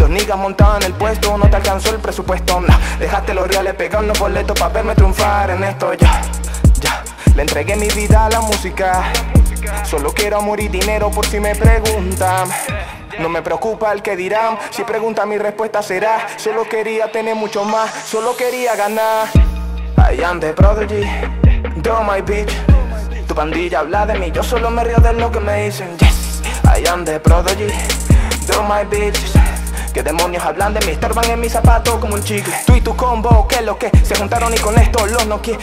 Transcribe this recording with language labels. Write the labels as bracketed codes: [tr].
[es] Los niggas montados en el puesto, no te alcanzó el presupuesto, no. Dejaste los reales pegados en los boletos pa' verme triunfar en esto. Ya, ya, le entregué mi vida a la música. Solo quiero amor y dinero por si me preguntan. No me preocupa el que dirán, si pregunta mi respuesta será. Solo quería tener mucho más, solo quería ganar. [en] I am the prodigy, draw my bitch. [es] Tu pandilla habla de mí, yo solo me río de lo que me dicen. [en] Yes, I am the prodigy, draw my bitch. [es] Que demonios hablan de mí, estorban en mis zapatos como un chicle. Tú y tu combo, que lo que, se juntaron y con esto los noqué.